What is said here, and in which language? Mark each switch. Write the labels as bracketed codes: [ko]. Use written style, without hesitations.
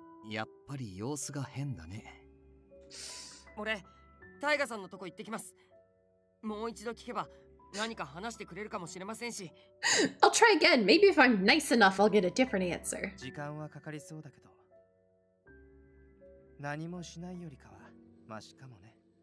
[ja] やっぱり様子が変だね。俺…タイガさんのとこ行ってきます。もう一度聞けば何か話してくれるかもしれませんし。 [en] I'll try again. Maybe if I'm nice enough, I'll get a different answer. [ja] 時間はかかりそうだけど、何もしないよりかはマシかもね。